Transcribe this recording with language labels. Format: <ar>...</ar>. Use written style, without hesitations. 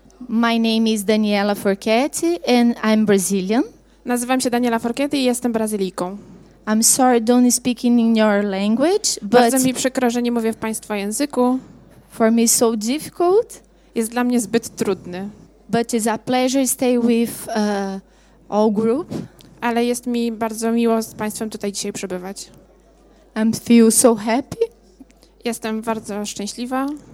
<en>My name is Daniela Forchetti and I'm Brazilian.</en> <pl>Nazywam się Daniela Forchetti i jestem Brazylijką.</pl> <en>I'm sorry, don't speak in your language, but...</en> <pl>Bardzo mi przykro, że nie mówię w państwa języku.</pl> <en>For me so difficult.</en> <pl>Jest dla mnie zbyt trudny.</pl> <en>But it's a pleasure to stay with all group.</en> <pl>Ale jest mi bardzo miło z państwem tutaj dzisiaj przebywać.</pl> <en>I feel so happy.</en> <pl>Jestem bardzo szczęśliwa.</pl>